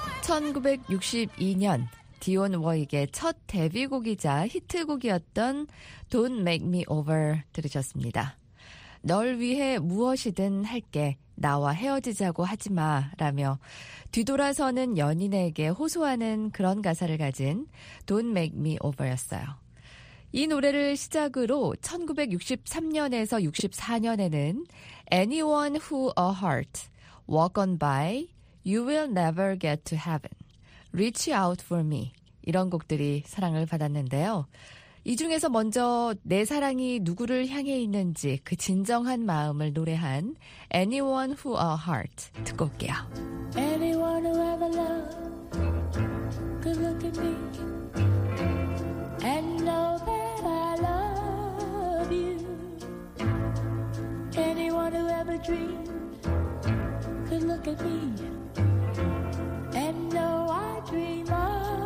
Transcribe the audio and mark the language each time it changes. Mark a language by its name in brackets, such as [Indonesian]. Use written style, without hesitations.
[Korean] 1962년 디온 워익의 첫 데뷔곡이자 히트곡이었던 Don't Make Me Over 들으셨습니다. 널 위해 무엇이든 할게, 나와 헤어지자고 하지 마 라며 뒤돌아서는 연인에게 호소하는 그런 가사를 가진 Don't Make Me Over였어요. 이 노래를 시작으로 1963년에서 64년에는 Anyone Who A Heart, Walk On By, You Will Never Get To Heaven, Reach Out For Me 이런 곡들이 사랑을 받았는데요. 이 중에서 먼저 내 사랑이 누구를 향해 있는지 그 진정한 마음을 노래한 Anyone Who A Heart 듣고 올게요. [English] Anyone who ever loved could look at me and know that I love you. Anyone who ever dreamed could look at me and know I dream of.